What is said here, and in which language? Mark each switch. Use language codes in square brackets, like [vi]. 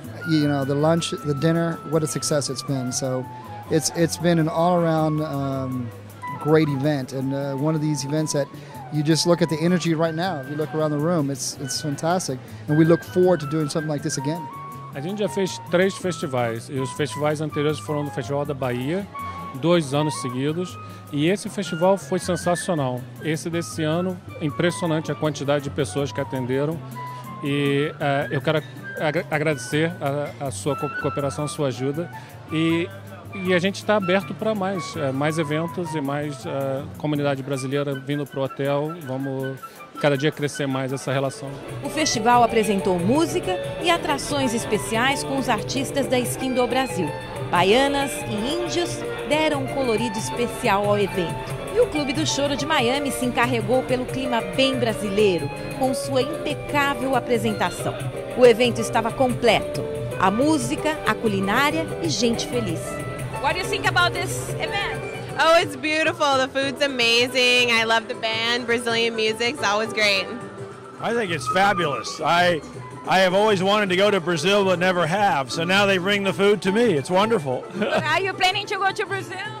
[en] You know, the lunch, the dinner, what a success it's been. So it's been an all-around great event, and one of these events that you just look at the energy right now, you look around the room, it's fantastic, and we look forward to doing something like this again. [pt] A gente já fez 3 festivais, e os festivais anteriores foram do Festival da Bahia, 2 anos seguidos, e esse festival foi sensacional. Esse desse ano, impressionante a quantidade de pessoas que atenderam, e eu quero agradecer a sua cooperação, a sua ajuda, e a gente está aberto para mais eventos e mais comunidade brasileira vindo para o hotel. Vamos cada dia crescer mais essa relação. O festival apresentou música e atrações especiais com os artistas da Skin do Brasil. Baianas e índios deram um colorido especial ao evento. E o Clube do Choro de Miami se encarregou pelo clima bem brasileiro, com sua impecável apresentação. O evento estava completo. A música, a culinária e gente feliz. [en] What do you think about this event? Oh, it's beautiful. The food's amazing. I love the band. Brazilian music's always great. I think it's fabulous. I have always wanted to go to Brazil, but never have. So now they bring the food to me. It's wonderful. Are you planning to go to Brazil?